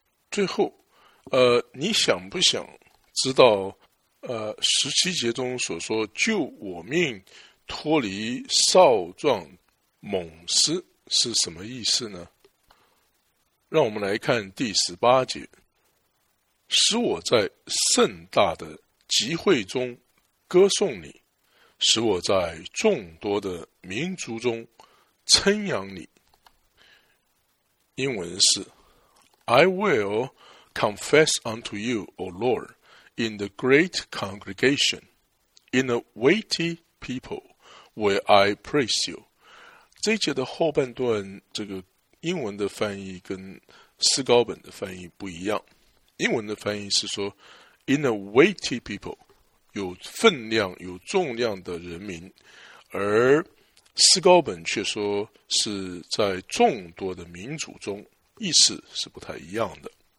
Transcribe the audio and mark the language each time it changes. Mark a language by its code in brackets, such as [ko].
[zh] 最后你想不想知道17节中所说救我命脱离少壮猛狮是什么意思呢？让我们来看第18节，使我在盛大的集会中歌颂你，使我在众多的民族中称扬你。英文是 [en] I will confess unto you, O Lord, in the great congregation, in a weighty people, will I praise you. [zh] 这一节的后半段，这个英文的翻译跟思高本的翻译不一样。英文的翻译是说 [en] in a weighty people, [zh] 有分量有重量的人民，而思高本却说是在众多的民族中，意思是不太一样的。